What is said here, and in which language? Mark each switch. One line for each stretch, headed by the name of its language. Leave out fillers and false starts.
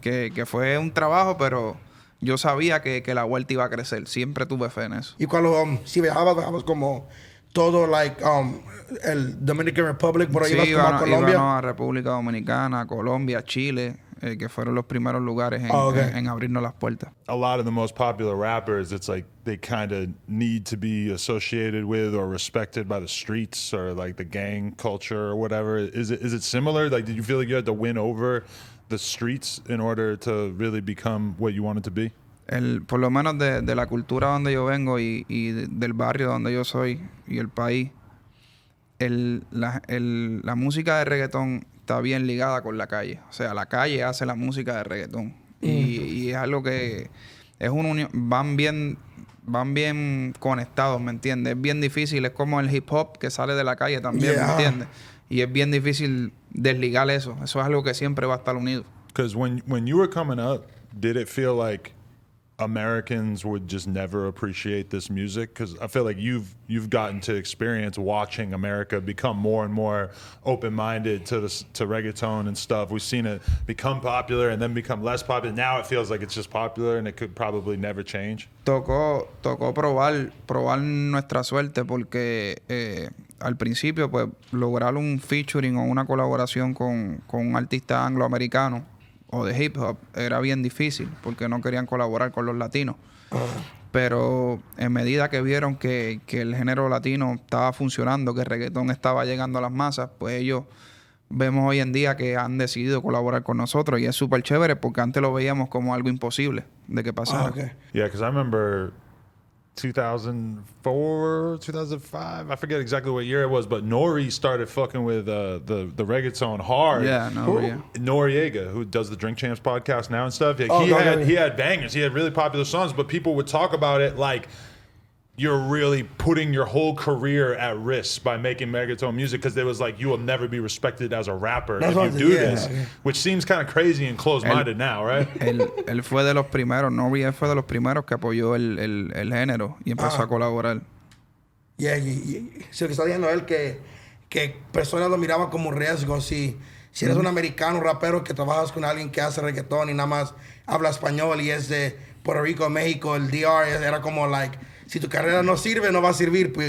Spanish: Que fue un trabajo, pero yo sabía que la vuelta iba a crecer. Siempre tuve fe en eso. Y cuando si viajabas como todo, like, el Dominican Republic, por ahí sí, ibas a Colombia. Sí, a República Dominicana, Colombia, Chile, que fueron los primeros lugares en abrirnos las puertas.
English: A lot of the most popular rappers, it's like they kind of need to be associated with or respected by the streets or like the gang culture or whatever. Is it similar? Like, did you feel like you had to win over the streets in order to really become what you wanted to be?
Spanish: Por lo menos de la cultura donde yo vengo y del barrio donde yo soy y el país, la música de reggaetón está bien ligada con la calle. O sea, la calle hace la música de reggaetón. Y es algo que es una unión. Van bien conectados, ¿me entiendes? Es bien difícil. Es como el hip hop que sale de la calle también, ¿me entiendes? Y es bien difícil desligar eso. Eso es algo que siempre va a estar unido.
English: Because when you were coming up, did it feel like Americans would just never appreciate this music? Because I feel like you've gotten to experience watching America become more and more open-minded to reggaeton and stuff. We've seen it become popular and then become less popular. Now it feels like it's just popular and it could probably never change.
Spanish: Tocó probar nuestra suerte porque al principio, pues, lograr un featuring o una colaboración con un artista angloamericano o de hip hop era bien difícil porque no querían colaborar con los latinos. Pero en medida que vieron que el género latino estaba funcionando, que el reggaetón estaba llegando a las masas, pues ellos vemos hoy en día que han decidido colaborar con nosotros y es súper chévere porque antes lo veíamos como algo imposible de que pasara.
English: Yeah, because I remember 2004, 2005, I forget exactly what year it was, but Nori started fucking with the reggaeton hard. Yeah, Nori. Ooh. Noriega, who does the Drink Champs podcast now and stuff. Yeah, he had bangers. He had really popular songs, but people would talk about it like, you're really putting your whole career at risk by making reggaeton music because it was like, you will never be respected as a rapper. That's if you do yeah, this, yeah. Which seems kind of crazy and closed-minded now, right?
Spanish: Él fue de los primeros, Norrie fue de los primeros que apoyó el género y empezó a colaborar. Yeah, se lo que está diciendo él, que personas lo miraban como riesgo. Si eres un americano rapero que trabajas con alguien que hace reggaeton y nada más habla español y es de Puerto Rico, México, el DR, era como like, si tu carrera no sirve, no va a servir.